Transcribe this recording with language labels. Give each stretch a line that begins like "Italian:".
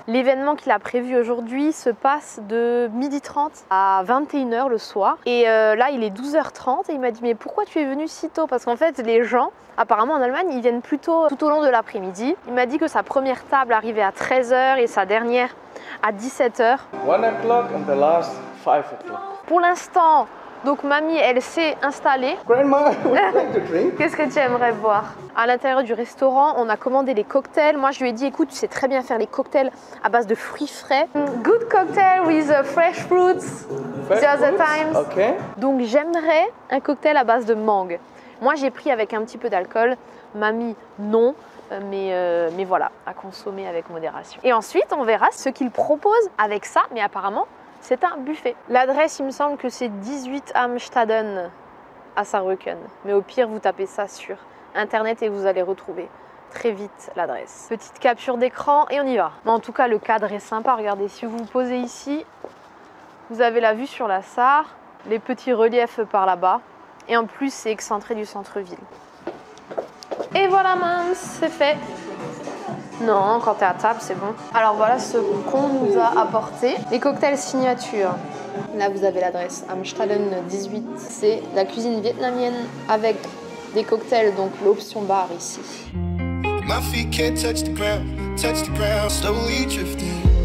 French: L'événement qu'il a prévu aujourd'hui se passe de 12h30 à 21h le soir. Et là, il est 12h30 et il m'a dit « Mais pourquoi tu es venu si tôt ?» Parce qu'en fait, les gens, apparemment en Allemagne, ils viennent plutôt tout au long de l'après-midi. Il m'a dit que sa première table arrivait à 13h et sa dernière à 17h.
English: 1 o'clock and the last 5 o'clock.
French: Pour l'instant, donc mamie, elle s'est installée.
English: Grandma, would you like to drink?
French: Qu'est-ce que tu aimerais boire? À l'intérieur du restaurant, on a commandé les cocktails. Moi, je lui ai dit, écoute, tu sais très bien faire les cocktails à base de fruits frais.
English: Good cocktail with fresh fruits. Fresh fruits? The other times. Okay.
French: Donc, j'aimerais un cocktail à base de mangue. Moi, j'ai pris avec un petit peu d'alcool. Mamie, non. Mais voilà, à consommer avec modération. Et ensuite, on verra ce qu'il propose avec ça. Mais apparemment, c'est un buffet. L'adresse, il me semble que c'est 18 Amstaden à Sarrebruck. Mais au pire, vous tapez ça sur internet et vous allez retrouver très vite l'adresse. Petite capture d'écran et on y va. Mais en tout cas, le cadre est sympa. Regardez, si vous vous posez ici, vous avez la vue sur la Sarre, les petits reliefs par là-bas. Et en plus, c'est excentré du centre-ville. Et voilà, mince, c'est fait. Non, quand t'es à table, c'est bon. Alors voilà ce qu'on nous a apporté. Les cocktails signature. Là, vous avez l'adresse. Amstaden 18. C'est la cuisine vietnamienne avec des cocktails, donc l'option bar ici.
English: My feet can't touch the ground, slowly drifting.